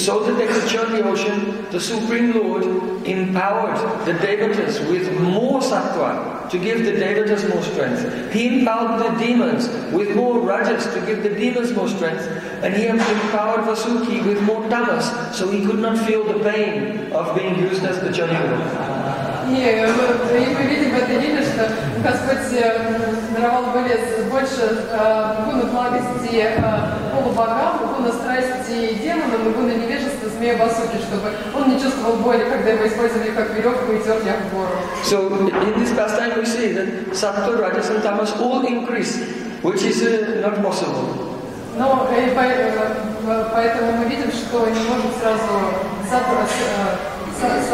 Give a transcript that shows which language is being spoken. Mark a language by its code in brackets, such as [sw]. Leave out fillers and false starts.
[en] So that they could churn the ocean, the Supreme Lord empowered the devatas with more sattva to give the devatas more strength. He empowered the demons with more rajas to give the demons more strength. And he has empowered Vasuki with more tamas, so he could not feel the pain of being used as the churning lord. [ru] И мы видим в этой линии, что Господь даровал больше гуны благости полубогам, гуны страсти демонам и гуны невежества змея Васуки, чтобы он не чувствовал боли, когда его использовали как веревку и терли об гору. [en] So in this pastime we see that sattva, rajas and tamas all increase, which is not possible. [ru] Но поэтому мы видим, что не может сразу сатва